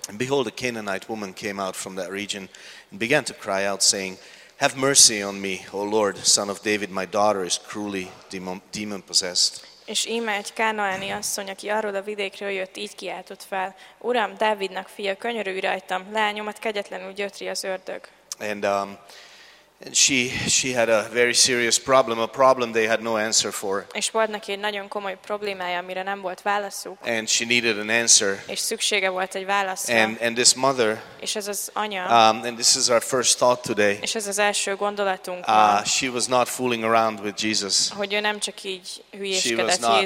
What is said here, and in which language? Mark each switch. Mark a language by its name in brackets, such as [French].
[English] And behold, a Canaanite woman came out from that region and began to cry out, saying, "Have mercy on me, O Lord, Son of David. My daughter is cruelly demon possessed." [Hungarian] És íme egy kánaáni asszony, aki arról a vidékről jött, így kiáltott fel: "Uram, Dávidnak fia, könyörülj rajtam, leányomat kegyetlenül gyötri az ördög." [English] And she had a very serious problem, a problem they had no answer for. [Hungarian] És volt neki egy nagyon komoly problémája, amire nem volt válaszuk. [English] And she needed an answer. [Hungarian] És szüksége volt egy válaszra. [English] And this mother. [Hungarian] És ez az anya. [English] And this is our first thought today. [Hungarian] És ez az első gondolatunk. [English] She was not fooling around with Jesus. [Hungarian] Hogy ő nem csak így hülyéskedett Jézussal.